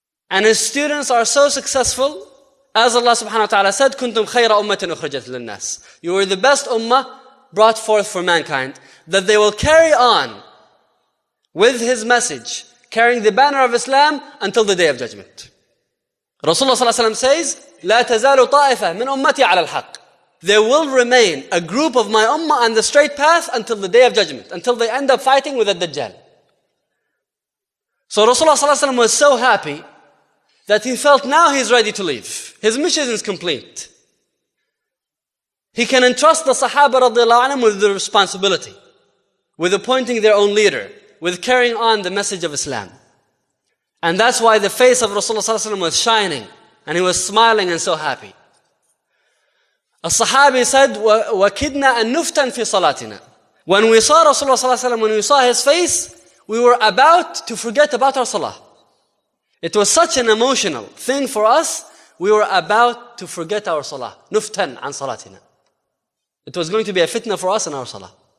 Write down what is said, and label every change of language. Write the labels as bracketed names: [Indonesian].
[English] And his students are so successful, as Allah subhanahu wa ta'ala said, [Arabic] كُنْتُمْ خَيْرَ أُمَّةٍ أُخْرِجَتْ لِلنَّاسِ. [English] You were the best ummah brought forth for mankind, that they will carry on with his message, carrying the banner of Islam until the day of judgment. Rasulullah sallallahu alayhi wa sallam says, [Arabic] لَا تَزَالُ طَائِفَةً مِنْ أُمَّتِي عَلَى الْحَقِّ. [English] There will remain a group of my ummah on the straight path until the day of judgment, until they end up fighting with the Dajjal. So Rasulullah ﷺ was so happy that he felt now he's ready to leave. His mission is complete. He can entrust the Sahaba radiallahu anhum with the responsibility, with appointing their own leader, with carrying on the message of Islam. And that's why the face of Rasulullah ﷺ was shining and he was smiling and so happy. As-Sahabi said, [Arabic] وَكِدْنَا أَن نُفْتَنْ فِي صَلَاتِنَا. [English] When we saw Rasulullah ﷺ, when we saw his face, we were about to forget about our salah. It was such an emotional thing for us, we were about to forget our salah. [Arabic] نُفْتَنْ عَن صَلَاتِنَا. [English] It was going to be a fitna for us in our salah.